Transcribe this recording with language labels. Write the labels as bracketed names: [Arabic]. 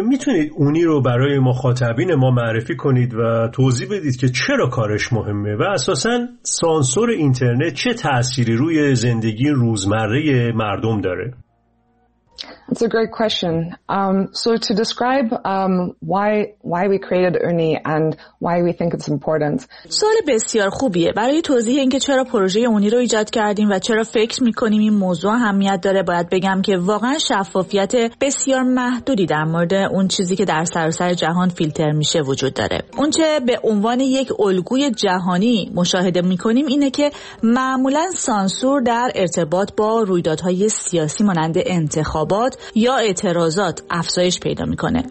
[Persian] میتونید اونی رو برای مخاطبین ما معرفی کنید و توضیح بدید که چرا کارش مهمه و اساساً سانسور اینترنت چه تأثیری روی زندگی روزمره مردم داره؟ [English] It's a great question. So to describe why we created Uni and why we think it's important. [Persian] سوال بسیار خوبیه. برای توضیح اینکه چرا پروژه اونی رو ایجاد کردیم و چرا فکر می‌کنیم این موضوع اهمیت داره، باید بگم که واقعاً شفافیت بسیار محدودی در مورد اون چیزی که در سراسر جهان فیلتر میشه وجود داره. اون چه به عنوان یک الگوی جهانی مشاهده می‌کنیم اینه که معمولاً سانسور در ارتباط با رویدادهای سیاسی مانند انتخابات یا اعتراضات افزایش پیدا میکنه.